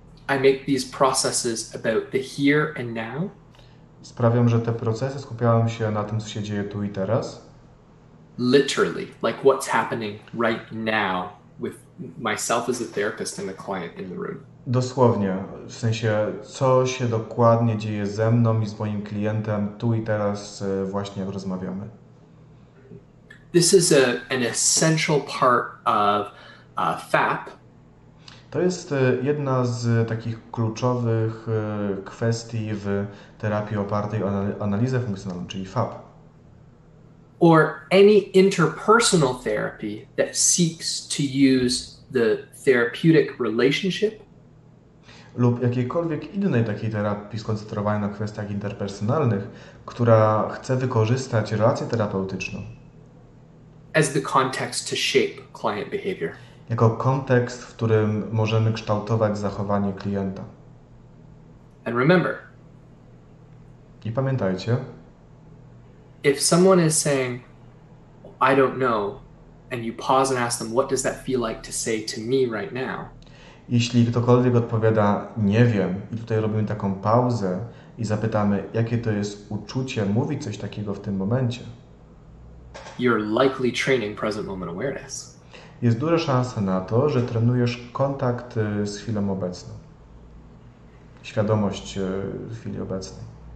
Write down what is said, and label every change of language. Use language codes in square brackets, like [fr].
[en] I make these processes about the here and now. [pl] Sprawiam, że te procesy skupiają się na tym, co się dzieje tu i teraz. [en] Literally, like what's happening right now with myself as a therapist and the client in the room. [pl] Dosłownie, w sensie, co się dokładnie dzieje ze mną i z moim klientem tu i teraz właśnie rozmawiamy. [en] This is an essential part of FAP. [pl] To jest jedna z takich kluczowych kwestii w terapii opartej o analizę funkcjonalną, czyli FAP. [en] Or any interpersonal therapy that seeks to use the therapeutic relationship. [pl] Lub jakiejkolwiek innej takiej terapii skoncentrowanej na kwestiach interpersonalnych, która chce wykorzystać relację terapeutyczną [en] as the context to shape client behavior. [pl] Jako kontekst, w którym możemy kształtować zachowanie klienta. [en] And remember, [pl] i pamiętajcie, [en] if someone is saying, I don't know, and you pause and ask them, what does that feel like to say to me right now? [pl] Jeśli ktokolwiek odpowiada, nie wiem, i tutaj robimy taką pauzę i zapytamy, jakie to jest uczucie mówić coś takiego w tym momencie, [en] you're likely training present moment awareness. [pl] Jest duża szansa na to, że trenujesz kontakt z chwilą obecną, świadomość chwili obecnej.